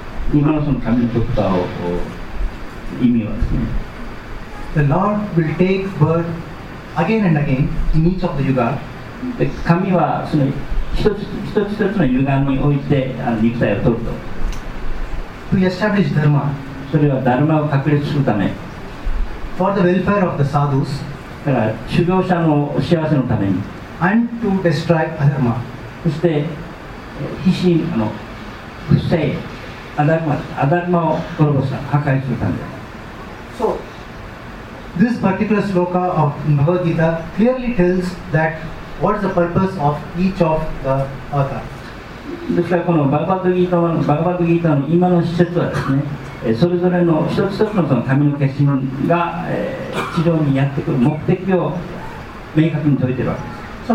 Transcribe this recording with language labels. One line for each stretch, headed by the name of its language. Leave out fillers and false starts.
English: The Lord will take birth again and again in each of the yuga.
Japanese: The 神はその一つのユガにおいて肉体を取ると。
English: To establish dharma.
Japanese: それはダルマを確立するため。
English: For the welfare of the sadhus.
Japanese: だから修行者の幸せのために。
English: And to destroy adharma.
Japanese: そして、必死に、不正、アダルマを滅ぼした、破壊するためです。
English: So, this particular sloka of Bhagavad Gita clearly tells that what is the purpose of each of the avatars.
Japanese: ですから、このバグバッドギータの今の施設はですね、それぞれの一つ一つ の神の化身が地上にやってくる目的を明確に説いているわけです。